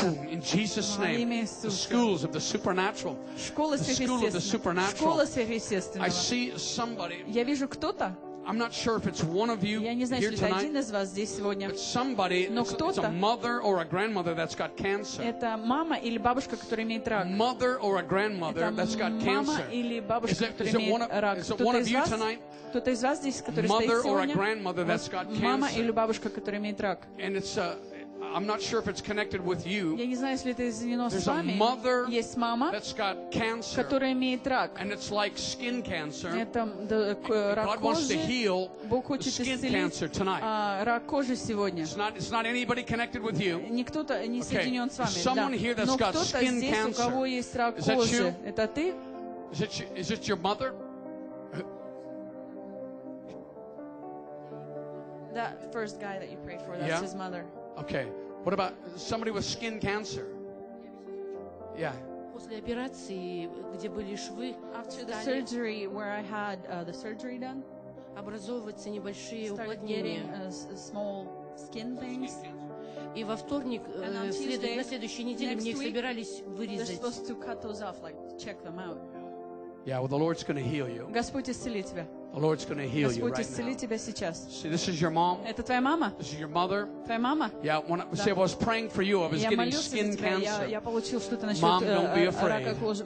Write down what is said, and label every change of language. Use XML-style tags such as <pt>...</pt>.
<en>In Jesus' name. The schools of the supernatural. The school of the supernatural. I see somebody.</en> <ru>Я вижу кто-то.</ru> <en>I'm not sure if it's one of you here tonight. But somebody, it's a mother or a grandmother that's got cancer.</en> <ru>Это мама или бабушка, которая имеет рак.</ru> <en>Mother or a grandmother that's got cancer.</en> <ru>Мама или бабушка, которая имеет рак.</ru> <en>Is it one of you tonight?</en> <ru>Кто-то из вас здесь, который</ru> <en>mother or a grandmother that's got cancer.</en> <ru>Мама или бабушка, которая имеет рак.</ru> <en>And it's a I'm not sure if it's connected with you.</en> <ru>Я не знаю, если это связано с вами.</ru> <en>Mother,</en> <ru>есть мама,</ru> <en>that's got cancer,</en> <ru>которая имеет рак.</ru> <en>And it's like skin cancer.</en> <ru>Это рак кожи.</ru> <en>God wants to heal the skin cancer tonight.</en> <ru>Рак кожи сегодня.</ru> <en>It's not anybody connected with you.</en> <ru>Никто-то не соединен с вами.</ru> <en>Someone here that's got skin cancer.</en> <ru>Но кто-то здесь, у кого есть рак кожи. Это ты?</ru> <en>Is it your mother? That first guy that you prayed for, that's yeah? his mother. Okay. What about somebody with skin cancer? Yeah.</en> <ru>После операции, где были швы,</ru> <en>after the surgery where I had the surgery done,</en> <ru>образовываются небольшие уплотнения,</ru> <en>small skin things.</en> <ru>И во вторник, на следующей неделе мне их собирались вырезать.</ru> <en>They're supposed to cut those off, like check them out. Yeah, well, the Lord's going to heal you.</en> <ru>Господь исцелит тебя.</ru> <en>The Lord's going to heal you right now.</en> <ru>Тебя сейчас.</ru> <en>See, this is your mom.</en> <ru>Это твоя мама.</ru> <en>This is your mother.</en> <ru>Твоя мама.</ru> <en>Yeah, when I, see, I was praying for you. I was getting skin cancer.</en> <ru>Я получил что-то насчет</ru> <en>Mom, don't be afraid.</en>